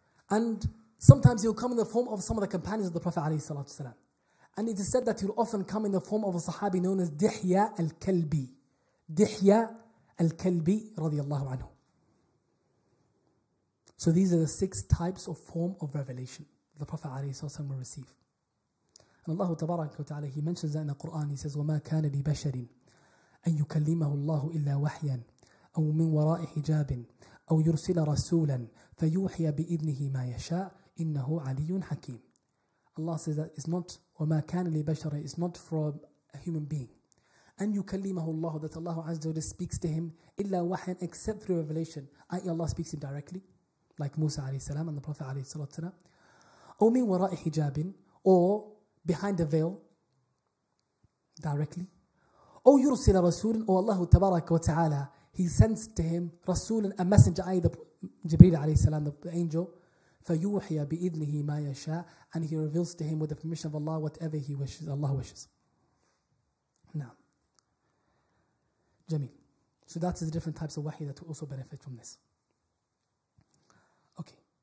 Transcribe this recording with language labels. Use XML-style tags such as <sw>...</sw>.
<en>And sometimes he will come in the form of some of the companions of the Prophet alayhi salatu wasalam. And it is said that he will often come in the form of a sahabi known as Dihya al-Kalbi. Dihya al-Kalbi radiallahu anhu. So these are the six types of form of revelation the Prophet alayhi salatu wasalam will receive. And Allah tabarak wa ta'ala, he mentions that in the Quran, he says,</en> <ar>وَمَا كَانَ لِبَشَرٍ أَن يُكَلِّمَهُ اللَّهُ إِلَّا وَحْيًا أَوْ مِنْ وَرَاءِ حِجَابٍ أَوْ يُرْسِلَ رَسُولًا فَيُوحِيَ بِإِذْنِهِ مَا يَشَاءُ إِنَّهُ عَلِيٌّ حَكِيمٌ.</ar> <en>Allah says that it's not</en> <ar>وَمَا كَانَ لِبَشَرٍ,</ar> <en>it's not for a human being.</en> <ar>أَن يُكَلِّمَهُ اللَّهُ,</ar> <en>that Allah Azza wa Jalla speaks to him,</en> <ar>إِلَّا وَحْيًا,</ar> <en>except through revelation, i.e. Allah speaks him directly, like Musa alayhi salam and the Prophet alayhi salatu wasalam.</en> <ar>أَوْ مِنْ وَرَاءِ حِجَابٍ,</ar> <en>or behind a veil, directly.</en> <ar>أو يرسل رسول, أو الله تبارك وتعالى,</ar> <en>he sends to him</en> <ar>رسول,</ar> <en>a messenger, i.e. Jibreel عليه السلام, the angel,</en> <ar>فيوحي بإذنه ما يشاء,</ar> <en>and he reveals to him with the permission of Allah whatever he wishes, Allah wishes. نعم. Jameel. So that's the different types of wahi that will also benefit from this. Okay.</en>